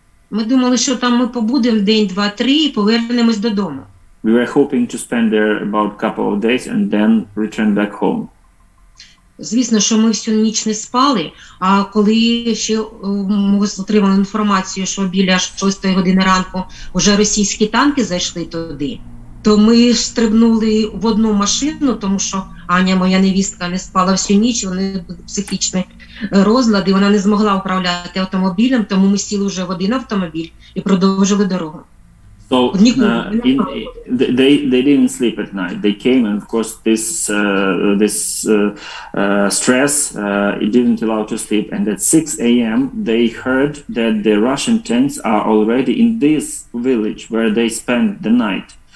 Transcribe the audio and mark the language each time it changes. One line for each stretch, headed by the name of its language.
Ukrainian: Ми думали, що там ми побудемо день, два, три і повернемось додому.
English: We were hoping to spend there about a couple of days and then return back home.
Ukrainian: Звісно, що ми всю ніч не спали, а коли ще ми отримали інформацію, що біля 6 години ранку вже російські танки зайшли туди, то ми стрибнули в одну машину, тому що Аня, моя невістка, не спала всю ніч, вони були психічні розлади, вона не змогла управляти автомобілем, тому ми сіли вже в один автомобіль і продовжили дорогу.
English: So they didn't sleep at night. They came, and of course this stress it didn't allow to sleep. And at 6 a.m. they heard that the Russian tanks are already in this village where they spent the night.